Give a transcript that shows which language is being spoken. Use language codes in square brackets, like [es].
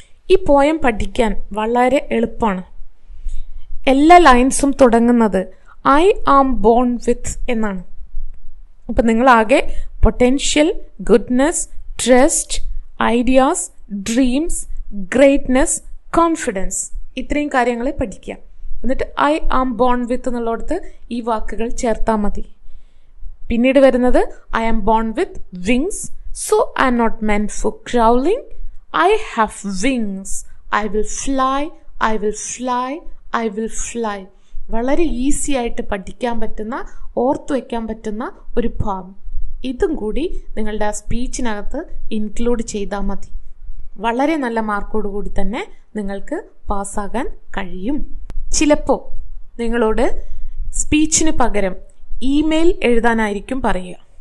[ml] ഈ പോയം പഠിക്കാൻ വളരെ എളുപ്പമാണ്. എല്ലാ ലൈൻസും തുടങ്ങുന്നത് [en] I am born with [ml] എന്നാണ്. അപ്പം നിങ്ങളാകെ potential, goodness, trust, ideas, dreams, greatness, confidence, ഇത്രയും കാര്യങ്ങളെ പഠിക്കുക. എന്നിട്ട് [en] I am born with [ml] എന്നുള്ളിടത്ത് ഈ വാക്കുകൾ ചേർത്താൽ മതി. പിന്നീട് വരുന്നത് [en] I am born with wings, so I'm not meant for crawling, I have wings, I will fly, I will fly, I will fly. [ml] വളരെ ഈസി ആയിട്ട് പഠിക്കാൻ പറ്റുന്ന, ഓർത്തു വയ്ക്കാൻ പറ്റുന്ന ഒരു ഭാഗം. ഇതും കൂടി നിങ്ങളുടെ ആ സ്പീച്ചിനകത്ത് ഇൻക്ലൂഡ് ചെയ്താൽ മതി. വളരെ നല്ല മാർക്കോടുകൂടി തന്നെ നിങ്ങൾക്ക് പാസ്സാകാൻ കഴിയും. ചിലപ്പോൾ നിങ്ങളോട് സ്പീച്ചിന് പകരം ഇമെയിൽ എഴുതാനായിരിക്കും പറയുക.